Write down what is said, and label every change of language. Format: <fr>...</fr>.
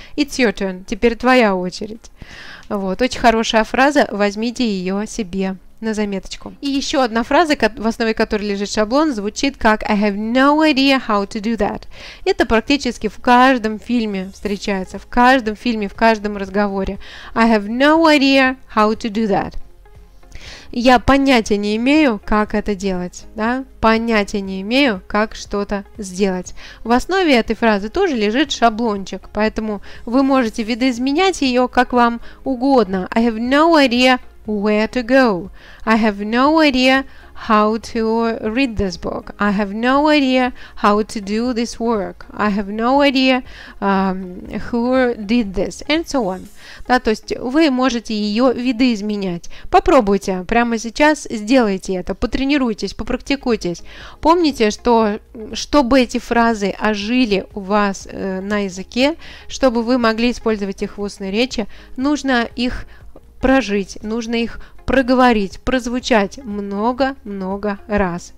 <en>It's your turn.</en> <ru>Теперь твоя очередь. Вот, очень хорошая фраза, возьмите ее себе на заметочку. И еще одна фраза, в основе которой лежит шаблон, звучит как</ru> <en>I have no idea how to do that.</en> <ru>Это практически в каждом фильме встречается, в каждом фильме, в каждом разговоре.</ru> <en>I have no idea how to do that.</en> <ru>Я понятия не имею, как это делать, да? Понятия не имею, как что-то сделать. В основе этой фразы тоже лежит шаблончик, поэтому вы можете видоизменять ее, как вам угодно.</ru> <en>I have no idea where to go. I have no idea how to read this book. I have no idea how to do this work. I have no idea who did this. And so on.</en> <ru>Да, то есть вы можете ее видоизменять. Попробуйте. Прямо сейчас сделайте это. Потренируйтесь, попрактикуйтесь. Помните, что чтобы эти фразы ожили у вас на языке, чтобы вы могли использовать их в устной речи, нужно их прожить, нужно их проговорить, прозвучать много-много раз.</ru>